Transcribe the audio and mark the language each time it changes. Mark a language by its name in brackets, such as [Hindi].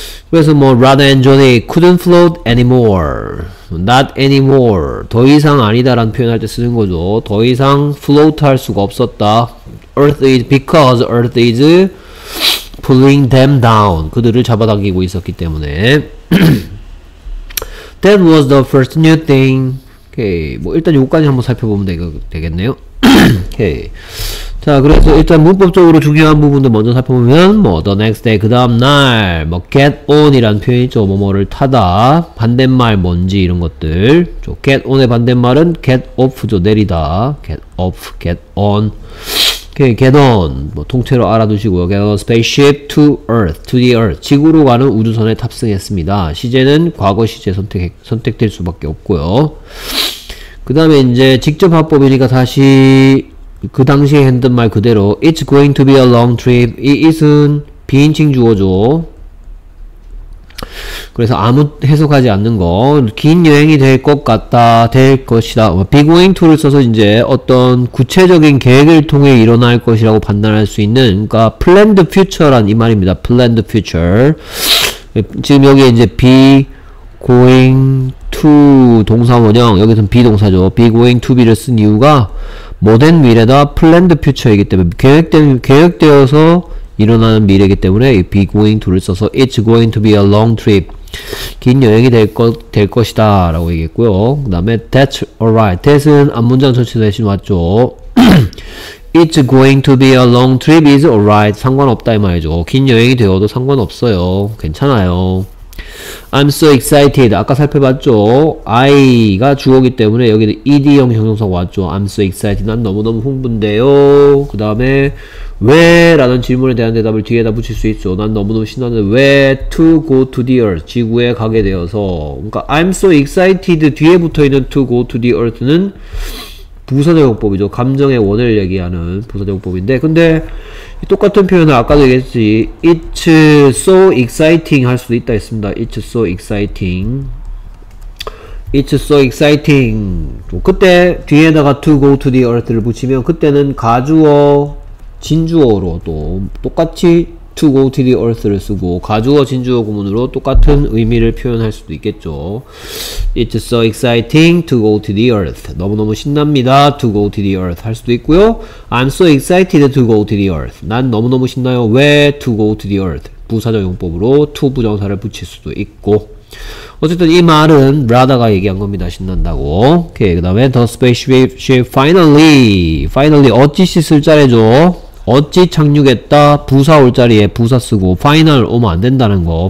[Korean] 그래서 뭐 [English] Radha and Johnny couldn't float anymore. Not anymore. [Korean] 더 이상 아니다 라는 표현할 때 쓰는 거죠. 더 이상 float 할 수가 없었다. [English] Earth is because Earth is pulling them down. [Korean] 그들을 잡아당기고 있었기 때문에. [English] That was the first new thing. [Korean] 오케이. 뭐 일단 요까지 한번 살펴보면 되겠네요. 오케이. 자, 그래서 일단 문법적으로 중요한 부분도 먼저 살펴보면 뭐 [English] the next day, [Korean] 그 다음날 뭐 get on 이라는 표현이 있죠. 뭐뭐를 타다, 반대말 뭔지 이런 것들. get on의 반대말은 get off죠. 내리다. get off, get on. [English] Okay, get on. [Korean] 뭐 통째로 알아두시고요. [English] get on a spaceship to earth, to the earth. [Korean] 지구로 가는 우주선에 탑승했습니다. 시제는 과거 시제 선택될 수밖에 없고요. 그 다음에 이제 직접 화법이니까 다시 그 당시에 했던 말 그대로 [English] It's going to be a long trip. [Korean] 이 it은 비인칭 주어죠. 그래서 아무 해석하지 않는 거. 긴 여행이 될 것 같다. 될 것이다. be going to를 써서 이제 어떤 구체적인 계획을 통해 일어날 것이라고 판단할 수 있는 그러니까 planned future란 이 말입니다. planned future. 지금 여기에 이제 be going to 동사 원형 여기서는 be 동사죠. be going to be를 쓴 이유가 모든 미래다 planned future이기 때문에 계획되어서 일어나는 미래이기 때문에 be going to를 써서 [English] it's going to be a long trip. [Korean] 긴 여행이 될 것이다 라고 얘기했고요. 그 다음에 [English] That's alright. [Korean] That은 앞문장 전체 대신 왔죠. [English] It's going to be a long trip is alright. [Korean] 상관없다 이 말이죠. 긴 여행이 되어도 상관없어요. 괜찮아요. [English] I'm so excited. [Korean] 아까 살펴봤죠. I가 주어기 때문에 여기도 ED형 형용사가 왔죠. [English] I'm so excited. [Korean] 난 너무너무 흥분돼요. 그 다음에 왜? 라는 질문에 대한 대답을 뒤에다 붙일 수 있죠. 난 너무너무 신나는 왜? [English] To go to the earth. [Korean] 지구에 가게 되어서. 그러니까 I'm so excited 뒤에 붙어있는 to go to the earth는 부사적용법이죠. 감정의 원을 얘기하는 부사적용법인데, 근데 똑같은 표현을 아까도 얘기했지, [English] It's so exciting [Korean] 할 수도 있다 했습니다. [English] It's so exciting. It's so exciting. [Korean] 그때 뒤에다가 to go to the earth를 붙이면 그때는 가주어, 진주어로 또 똑같이 to go to the earth를 쓰고 가주어, 진주어 구문으로 똑같은 의미를 표현할 수도 있겠죠. [English] It's so exciting to go to the earth. [Korean] 너무너무 신납니다. [English] To go to the earth [Korean] 할 수도 있고요. [English] I'm so excited to go to the earth. [Korean] 난 너무너무 신나요. 왜 to go to the earth? 부사적용법으로 to 부정사를 붙일 수도 있고. 어쨌든 이 말은 라다가 얘기한 겁니다. 신난다고. 오케이. 그 다음에 [English] The spaceship finally. [Korean] Finally 어찌시 쓸 자리죠. 어찌 착륙했다. 부사 올 자리에 부사 쓰고 final 오면 안 된다는 거.